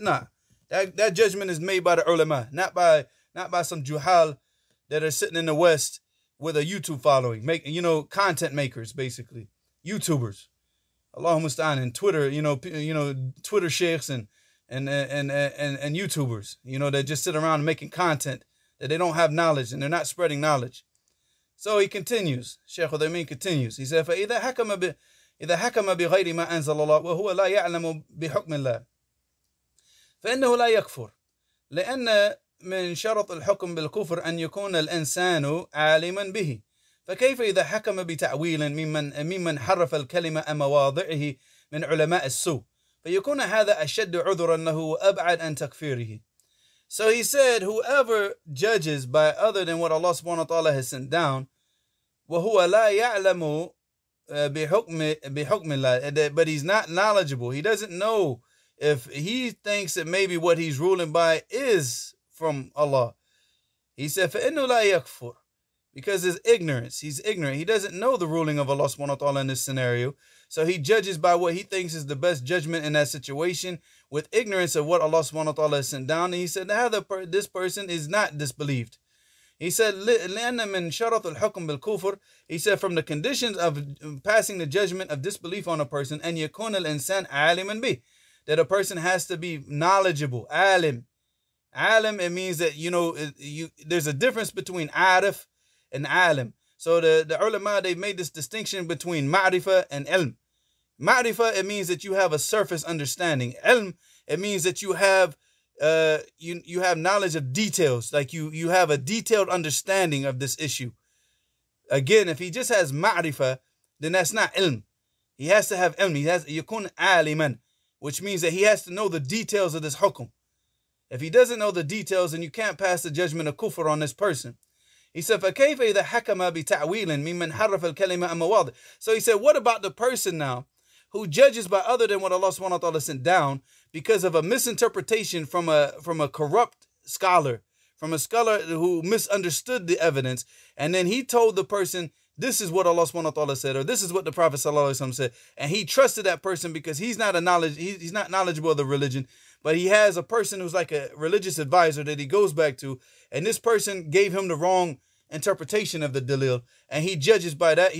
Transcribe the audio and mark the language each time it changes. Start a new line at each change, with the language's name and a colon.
English: Nah, that judgment is made by the ulama, not by some juhal that are sitting in the West with a YouTube following, content makers, basically, YouTubers, Allahumma ista'in, and Twitter, Twitter sheikhs and YouTubers, you know, that just sit around making content, that they don't have knowledge, and they're not spreading knowledge. So he continues, Sheikh Uthaymeen continues, he said,
Arabic: فَإِذَا حَكَمَ بِهِ إذا حكم بغير ما أنزل الله وهو لا يعلم بحكم الله فإنه لا يكفر لأن من شرط الحكم بالكفر أن يكون الإنسان عالما به فكيف إذا حكم بتأويل ممن حرف الكلمة أم مواضعه من علماء السوء فيكون هذا أشد عذرا له وأبعد عن تكفيره.
English: So he said, whoever judges by other than what Allah subhanahu wa ta'ala has sent down,
Arabic: وهو لا يعلم
English: but he's not knowledgeable. He doesn't know if he thinks that maybe what he's ruling by is from Allah. He said,
Arabic: فَإِنُّ لَا يَكْفُرُ,
English: because it's ignorance. He's ignorant. He doesn't know the ruling of Allah subhanahu wa ta'ala in this scenario. So he judges by what he thinks is the best judgment in that situation with ignorance of what Allah subhanahu wa ta'ala has sent down. And he said, this person is not disbelieved. He said,
Arabic: لِأَنَّ مِنْ شَرَطُ الْحُكُمِ بِالْكُفُرِ.
English: He said, from the conditions of passing the judgment of disbelief on a person,
Arabic: أَنْ يَكُونَ الْإِنسَانَ عَالِمًا بِهِ,
English: that a person has to be knowledgeable.
Arabic: عَالِم.
English: عَالِم, it means that, you know, there's a difference between عَارِف and عَالِم. So the ulama, they made this distinction between ma'rifa and ilm. Ma'rifa, it means that you have a surface understanding. Ilm, it means that you have you have knowledge of details, like you have a detailed understanding of this issue. Again, if he just has ma'rifah, then that's not ilm. He has to have ilm. He has yakun aliman, which means that he has to know the details of this hukum. If he doesn't know the details, then you can't pass the judgment of kufr on this person. He said,
Arabic: فَكَيْفَ إِذَا حَكَمَ بِتَعْوِيلٍ مِمَّنْ حَرَّفَ الْكَلِمَةَ أَمَّوَاضِ.
English: So he said, what about the person now who judges by other than what Allah subhanahu wa ta'ala sent down because of a misinterpretation from a corrupt scholar, from a scholar who misunderstood the evidence, and then he told the person, this is what Allah subhanahu wa ta'ala said, or this is what the Prophet sallallahu alaihi wasallam said, and he trusted that person because he's not knowledgeable of the religion, but he has a person who's like a religious advisor that he goes back to, and this person gave him the wrong interpretation of the dalil, and he judges by that.